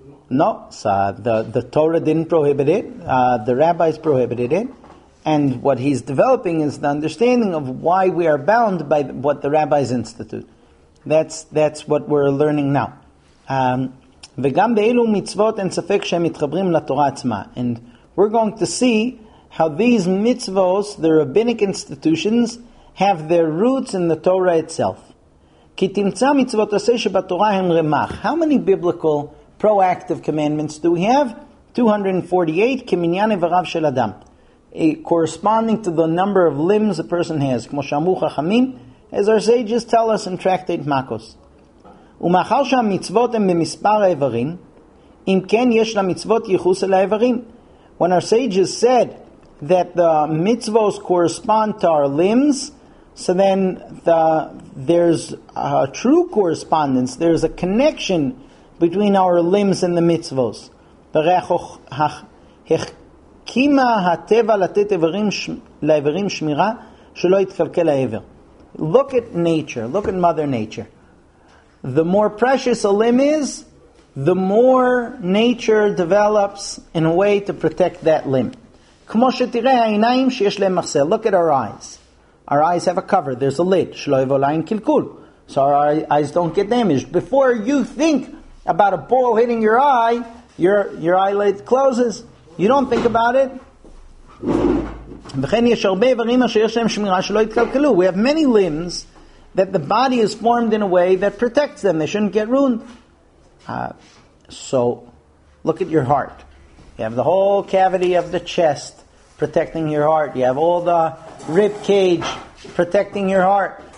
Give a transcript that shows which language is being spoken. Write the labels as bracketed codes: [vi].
[en] No, the Torah didn't prohibit it. The rabbis prohibited it. And what he's developing is the understanding of why we are bound by what the rabbis institute. That's what we're learning now. [he] וגם באילו מצוות אין ספק שהם מתחברים לתורה עצמה. [en] And we're going to see how these mitzvot, the rabbinic institutions, have their roots in the Torah itself. [he] כי תמצא מצוות עשה שבתורה הם רמח. [en] How many biblical proactive commandments do we have? 248, [he] כמניין איבריו של אדם. [en] Corresponding to the number of limbs a person has, [he] כמו שאמרו חכמים, [en] as our sages tell us in Tractate Makos. [he] ומאחר שהמצוות הן במספר האיברים, אם כן יש למצוות ייחוס אל האיברים. [en] When our sages said that the mitzvot correspond to our limbs, so then there's a true correspondence, there's a connection between our limbs and the mitzvot. [he] ברכוך החכימה הטבע לתת לאיברים שמירה שלא יתקלקל האיבר. [en] Look at nature, look at mother nature. The more precious a limb is, the more nature develops in a way to protect that limb. [he] כמו שתראה העיניים שיש להם מחסה. [en] Look at our eyes. Our eyes have a cover. There's a lid. [he] שלא יבוא לעין קלקול. [en] So our eyes don't get damaged. Before you think about a ball hitting your eye, your eyelid closes. You don't think about it. וכן יש הרבה איברים אשר יש להם שמירה שלא יתקלקלו. We have many limbs that the body is formed in a way that protects them. They shouldn't get ruined. So, look at your heart. You have the whole cavity of the chest protecting your heart. You have all the rib cage protecting your heart.